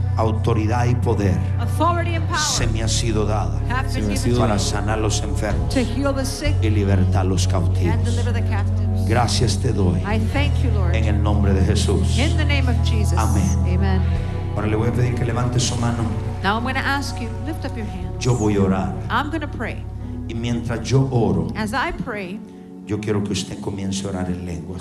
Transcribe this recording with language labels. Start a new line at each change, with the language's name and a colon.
Spanish: Autoridad y poder se me ha sido dada para sanar los enfermos,
English: to heal the sick,
Spanish: y libertar los cautivos,
English: and deliver the captives.
Spanish: Gracias te doy.
English: I thank you, Lord.
Spanish: En el nombre de Jesús.
English: In the name of Jesus.
Spanish: Amén.
English: Amen.
Spanish: Ahora le voy a pedir que levante su mano.
English: Now I'm going to ask you, lift up your hands.
Spanish: Yo voy a orar.
English: I'm going to pray.
Spanish: Y mientras yo oro,
English: as I pray,
Spanish: yo quiero que usted comience a orar en lenguas.